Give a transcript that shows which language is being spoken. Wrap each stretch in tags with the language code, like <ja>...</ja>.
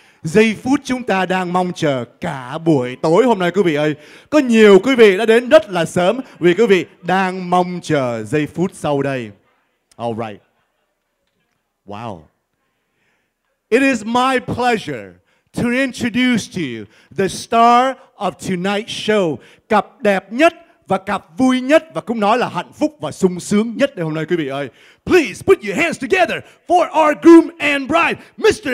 <vi>Giây phút chúng ta đang mong chờ cả buổi tối hôm nay quý vị ơi. Có nhiều quý vị đã đến rất là sớm vì quý vị đang mong chờ giây phút sau đây.</vi> <en>All right. Wow. It is my pleasure to introduce to you the star of tonight's show.</en> <vi>Cặp đẹp nhất và cặp vui nhất và cũng nói là hạnh phúc và sung sướng nhất ngày hôm nay quý vị ơi.</vi> <en>Please put your hands together for our groom and bride, Mr.</en>